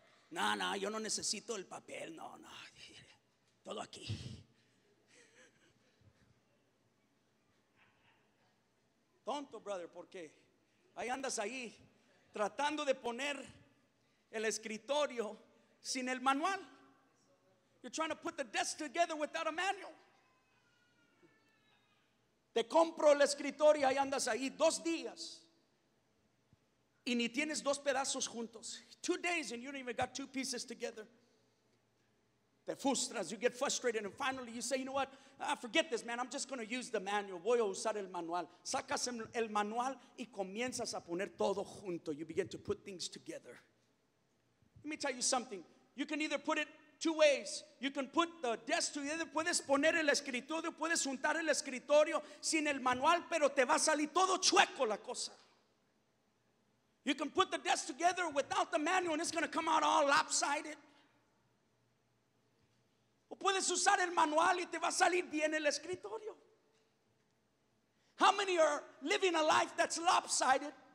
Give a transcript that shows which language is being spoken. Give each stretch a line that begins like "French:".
Spanish: No, no, yo no necesito el papel, no, no, todo aquí. Tonto, brother, porque ahí andas ahí tratando de poner el escritorio sin el manual.
English: You're trying to put the desk together without a manual.
Spanish: Te compro el escritorio y ahí andas ahí 2 días y ni tienes 2 pedazos juntos.
English: 2 days and you don't even got 2 pieces together.
Spanish: Te frustras,
English: you get frustrated, and finally you say, you know what, forget this, man, I'm just going to use the manual.
Spanish: Voy a usar el manual. Sacas el manual y comienzas a poner todo junto.
English: You begin to put things together. Let me tell you something. You can either put it 2 ways. You can put the desk together.
Spanish: Puedes poner el escritorio, puedes juntar el escritorio sin el manual, pero te va a salir todo chueco la cosa.
English: You can put the desk together without the manual and it's going to come out all lopsided.
Spanish: O puedes usar el manual y te va a salir bien el escritorio.
English: How many are living a life that's lopsided?